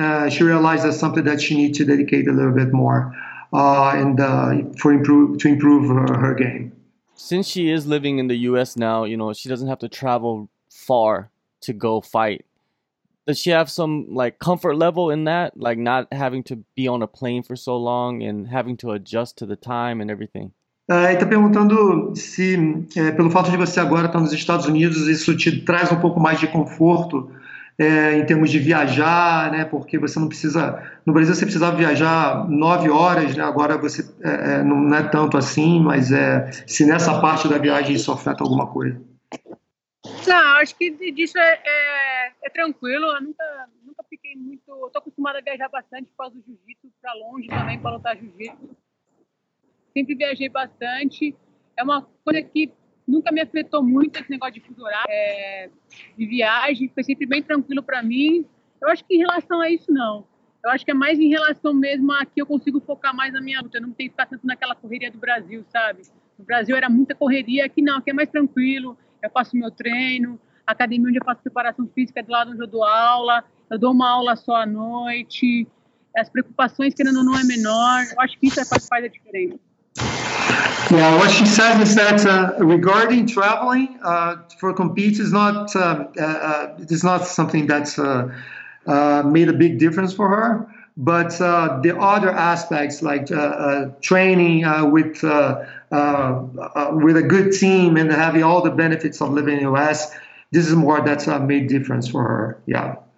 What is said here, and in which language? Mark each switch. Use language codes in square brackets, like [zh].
[en] She realized that's something that she needs to dedicate a little bit more, and to improve her game. Since she is living in the U.S. now, you know, she doesn't have to travel far to go fight. Does she have some like comfort level in that, like not having to be on a plane for so long and having to adjust to the time and everything? [pt] Ele está perguntando se, pelo fato de você agora estar nos Estados Unidos, isso te traz um pouco mais de conforto em termos de viajar, né? Porque você não precisa, no Brasil você precisava viajar 9 horas, né? Agora você não é tanto assim, mas se nessa parte da viagem isso afeta alguma coisa. Não, acho que disso é tranquilo. Eu nunca fiquei muito. Estou acostumada a viajar bastante por causa do jiu-jitsu, para longe também, para lutar jiu-jitsu. Sempre viajei bastante. É uma coisa que nunca me afetou muito, esse negócio de fuso horário, de viagem. Foi sempre bem tranquilo para mim. Eu acho que em relação a isso, não. Eu acho que é mais em relação mesmo a que eu consigo focar mais na minha luta. Eu não tenho que ficar tanto naquela correria do Brasil, sabe? No Brasil era muita correria. Aqui não, aqui é mais tranquilo. Eu faço meu treino, a academia onde eu faço preparação física é do lado onde eu dou aula, eu dou uma aula só à noite, as preocupações, querendo ou não, é menor. Eu acho que isso faz a diferença. [en] Yeah, what she said is that regarding traveling for competes, it's not something that's made a big difference for her, but the other aspects like training with a good team and having all the benefits of living in the U.S., this is more that's a made difference for her, yeah.